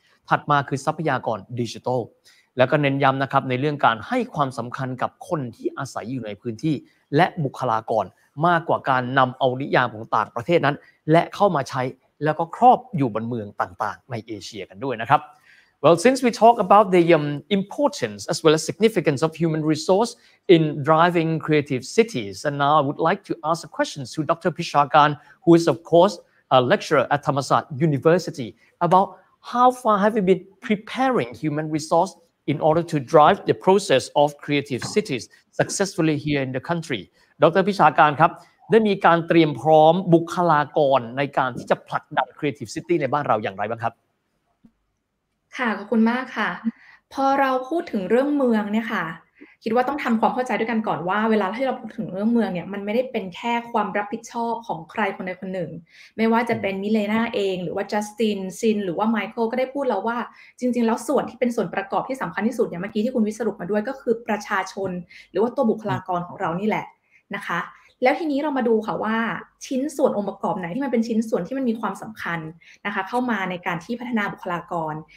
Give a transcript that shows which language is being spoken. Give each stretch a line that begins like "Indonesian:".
Thai: ถัดมาคือทรัพยากรดิจิทัลแล้วก็เน้นย้ำนะครับในเรื่องการให้ความสำคัญกับคนที่อาศัยอยู่ในพื้นที่และบุคลากรมากกว่าการนำเอานิยามของต่างประเทศนั้นและเข้ามาใช้แล้วก็ครอบอยู่บนเมืองต่างๆในเอเชียกันด้วยนะครับ
English: Well, since we talk about the importance as well as significance of human resource in driving creative cities, and now I would like to ask a question to Dr. Pishargan, who is, of course, a lecturer at Thammasat University, about how far have you been preparing human resource in order to drive the process of creative cities successfully here in the country ดร.
Thai: พิชาการครับได้มีการเตรียมพร้อมบุคลากรในการที่จะผลักดัน creative city ในบ้านเราอย่างไรบ้างครับ ค่ะขอบคุณมากค่ะพอเราพูดถึงเรื่องเมืองเนี่ยค่ะคิดว่าต้องทำความเข้าใจด้วยกันก่อนว่าเวลาที่เราพูดถึงเรื่องเมืองเนี่ยมันไม่ได้เป็นแค่ความรับผิดชอบของใครคนใดคนหนึ่งไม่ว่าจะเป็นมิเลน่าเองหรือว่าจัสตินซินหรือว่าไมเคิลก็ได้พูดแล้วว่าจริงๆแล้วส่วนที่เป็นส่วนประกอบที่สำคัญที่สุดเนี่ยเมื่อกี้ที่คุณวิสรุปมาด้วยก็คือประชาชนหรือว่าตัวบุคลากรของเรานี่แหละนะคะแล้วทีนี้เรามาดูค่ะว่าชิ้นส่วนองค์ประกอบไหนที่มันเป็นชิ้นส่วนที่มันมีความสำคัญนะคะเข้ามาในการที่พัฒนาบุคลากร